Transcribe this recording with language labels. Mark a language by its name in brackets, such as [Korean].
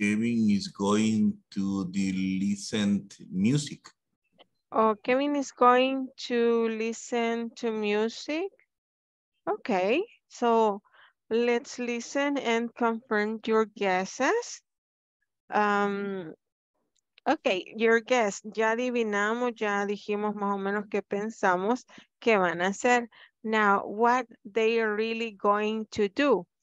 [English] Kevin is going to the listen to music. Oh, Kevin is going to listen to music. Okay, so let's listen and confirm your guesses. Okay, your guess. [Spanish] Ya adivinamos, ya dijimos más o menos qué pensamos que van a hacer. [English] Now, what they are really going to do.